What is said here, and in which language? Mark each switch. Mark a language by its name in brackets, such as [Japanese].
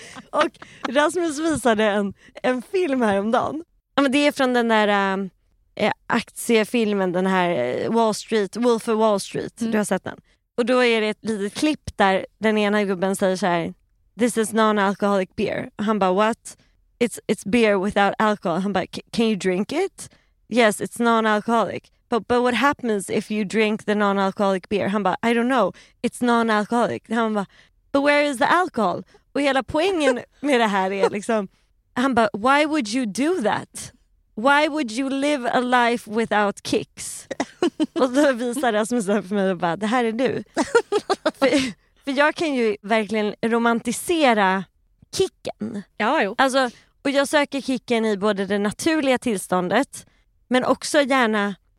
[Swedish] Och Rasmus visade en film här om dagen. Ja, men det är från den där aktiefilmen, den här Wall Street, Wolf of Wall Street. Mm. Du har sett den. Och då är det ett litet klipp där den ena gubben säger så här: [English] "This is non-alcoholic beer." [Swedish] Och han bara, [English] "What? It's beer without alcohol." [Swedish] Han bara, [English] "Can you drink it?" "Yes, it's non-alcoholic." But what happens if you drink the non-alcoholic beer?" [Swedish] Han bara, [English] "I don't know. It's non-alcoholic." [Swedish] Han bara, [English] "But where is the alcohol?" [Swedish] Och hela poängen med det här är liksom... Han bara, [English] "Why would you do that? Why would you live a life without kicks?" [Swedish] Och då visar Rasmus för mig och bara, "Det här är du." För jag kan ju verkligen romantisera kicken. Ja, jo. Alltså, och jag söker kicken i både det naturliga tillståndet, men också gärna...